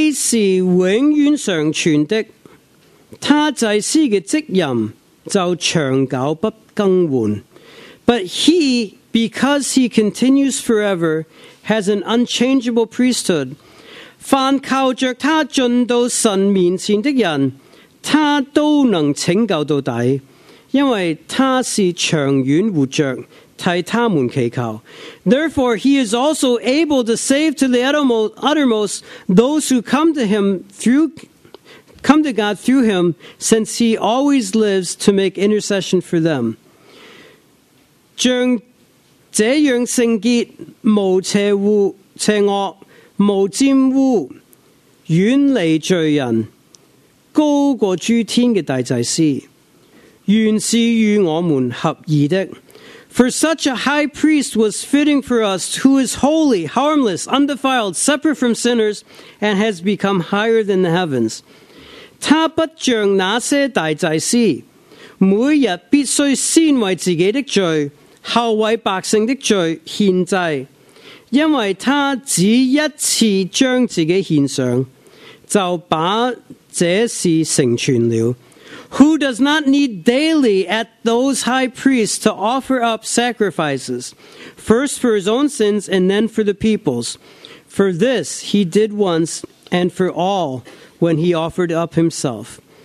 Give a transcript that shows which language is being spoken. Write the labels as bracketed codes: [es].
[zh] 这位既是永远常存的，他祭司的职任就长久不更换。 [en] But he, because he continues forever, has an unchangeable priesthood. [zh] 凡靠着他进到神面前的人，他都能拯救到底，因为他是长远活着替他们祈求。 [en] Therefore, he is also able to save to the uttermost those who come to God through him, since he always lives to make intercession for them. [zh] 将这样圣洁，无邪恶，无玷污，远离罪人，高过诸天的大祭司，原是与我们合宜的。 [en] For such a high priest was fitting for us, who is holy, harmless, undefiled, separate from sinners, and has become higher than the heavens. [zh] 他不像那些大祭司, 每日必须先为自己的罪,后为百姓的罪献祭, 因为他只一次将自己献上, 就把这事成全了。 [en] Who does not need daily at those high priests to offer up sacrifices, first for his own sins and then for the people's? For this he did once and for all when he offered up himself.